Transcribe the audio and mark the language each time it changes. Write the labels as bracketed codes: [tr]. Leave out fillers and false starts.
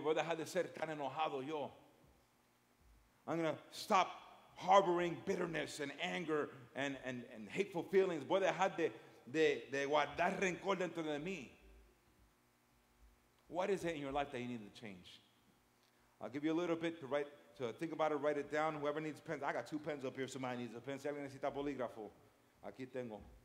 [es] Voy a dejar de ser tan enojado yo. [en] I'm going to stop harboring bitterness and anger and hateful feelings. [es] Voy a dejar de guardar rencor dentro de mí. [en] What is it in your life that you need to change? I'll give you a little bit to write. So think about it, write it down. Whoever needs pens, I got two pens up here. Somebody needs a pen. [es] Si alguien necesita bolígrafo, aquí tengo.